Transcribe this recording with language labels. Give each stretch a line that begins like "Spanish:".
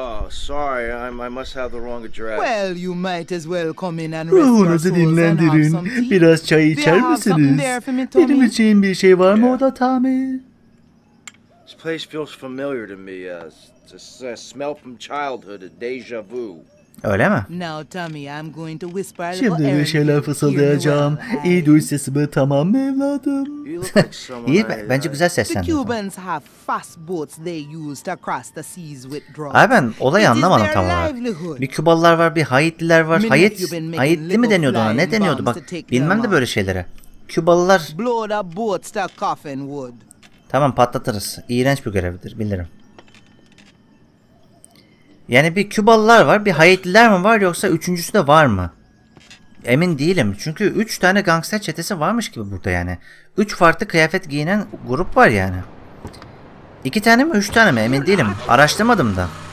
English: Sorry, I must have the wrong address. Well, you might as well come in and rest your soul and have some tea.
Turkish: Biraz çay içer misiniz? Benim için bir şey var mı orada Tommy?
English: This place feels familiar to me. It's a smell from childhood, a deja vu.
Turkish: Öyle mi?
English: Now, Tommy, I'm going to whisper.
Turkish: Şimdi bir şeyler fısıldayacağım. İyi duy sesimi tamam mı evladım? İyi, bence güzel seslendim.
English: The Cubans have fast boats they use to cross the seas with drugs.
Turkish: Abi ben olayı anlamadım tam olarak. Bir Kübalılar var, bir Haitliler var. Haitli mi deniyordu ona? Ne deniyordu? Bak, bilmem de böyle şeylere. Kübalılar.
English: Blow the boats to Coffinwood.
Turkish: Tamam, patlatırız. İğrenç bir görevdir, bilirim. Yani bir Kübalılar var, bir Haitliler mi var yoksa üçüncüsü de var mı? Emin değilim çünkü 3 tane gangster çetesi varmış gibi burada yani. 3 farklı kıyafet giyinen grup var yani. 2 tane mi 3 tane mi emin değilim. Araştırmadım da.